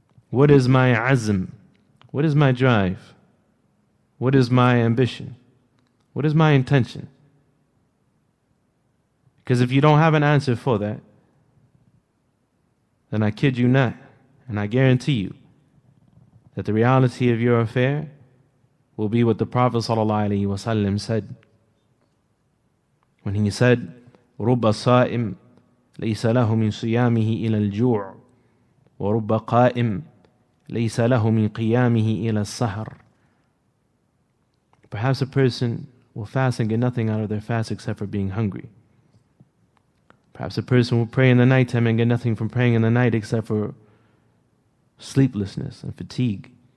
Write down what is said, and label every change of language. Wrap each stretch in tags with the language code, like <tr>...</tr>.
<en>What is my azm? What is my drive? What is my ambition? What is my intention? Because if you don't have an answer for that, then I kid you not, and I guarantee you, that the reality of your affair will be what the Prophet ﷺ said.</en> <ar>When he said, رُبَّ صَائِمْ لَيْسَ لَهُ مِنْ صِيَامِهِ إِلَى الْجُوعِ وَرُبَّ قَائِمْ لَيْسَ لَهُ مِنْ قِيَامِهِ إِلَى السَّهَرِ.</ar> <en>Perhaps a person will fast and get nothing out of their fast except for being hungry. Perhaps a person will pray in the nighttime and get nothing from praying in the night except for sleeplessness and fatigue.</en>